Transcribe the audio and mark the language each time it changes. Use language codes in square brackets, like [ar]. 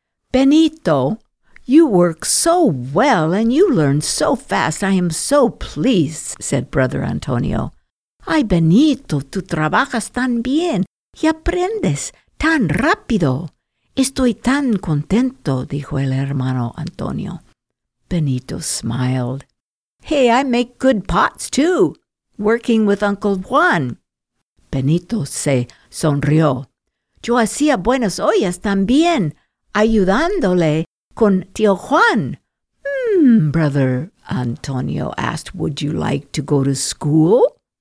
[en] Benito, you work so well and you learn so fast. I am so pleased, said Brother Antonio. [es] Ay, Benito, tú trabajas tan bien y aprendes tan rápido. Estoy tan contento, dijo el hermano Antonio. [en] Benito smiled. Hey, I make good pots too, working with Uncle Juan. [es] Benito se sonrió. Yo hacía buenas ollas también, ayudándole con tío Juan. [en] Brother Antonio asked, would you like to go to school?